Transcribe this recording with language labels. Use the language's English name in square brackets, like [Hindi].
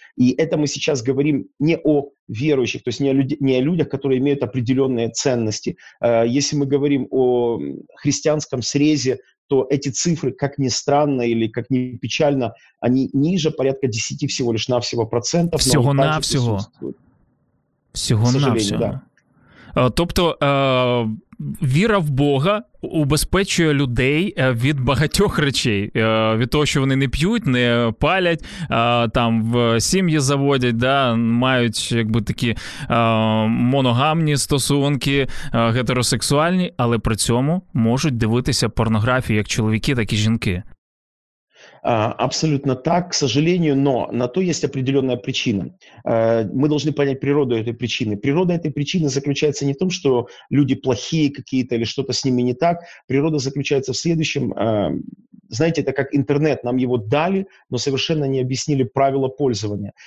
[Russian] И это мы сейчас говорим не о верующих, то есть не о, не о людях, которые имеют определенные ценности. Если мы говорим о христианском срезе, то эти цифры, как ни странно или как ни печально, они ниже, порядка 10 всего лишь навсего процентов. Всего-навсего. [Ukrainian] Всього-навсього. [Russian] Да. [Ukrainian] Тобто віра в Бога убезпечує людей від багатьох речей. Від того, що вони не п'ють, не палять, там в сім'ї заводять, да, мають якби такі моногамні стосунки, гетеросексуальні, але при цьому можуть дивитися порнографію як чоловіки, так і жінки. [Russian] Абсолютно так, к сожалению, но на то есть определенная причина. Мы должны понять природу этой причины. Природа этой причины заключается не в том, что люди плохие какие-то или что-то с ними не так. Природа заключается в следующем. Знаете, это как интернет, нам его дали, но совершенно не объяснили правила пользования.